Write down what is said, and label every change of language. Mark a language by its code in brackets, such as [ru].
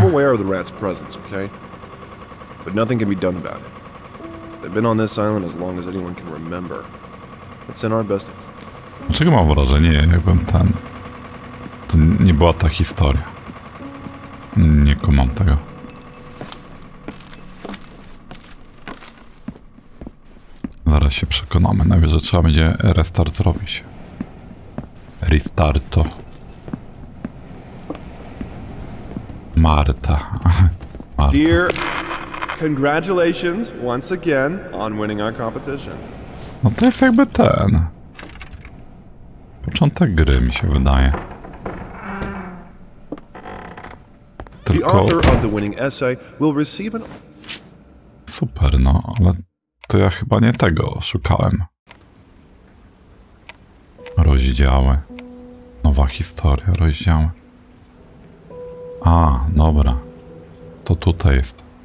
[en] I'm aware of the rat's presence, okay? But nothing can be done about it. They've been on this island as long as anyone can remember. It's in our best. [pl] Dlaczego mam wrażenie, jakbym ten... To nie była ta historia. Nie kumam tego. Zaraz się przekonamy. Nawet, że trzeba będzie restart zrobić. Restarto. Marta. Marta. [en] Dear, congratulations once again on winning our competition. [pl] No to jest jakby ten. Początek gry mi się wydaje. [en] The author of the winning essay will receive an... [pl] Super, no, ale to ja chyba nie tego szukałem. Rozdziały. Nowa historia, rozdziały. A, dobra. To tutaj jest.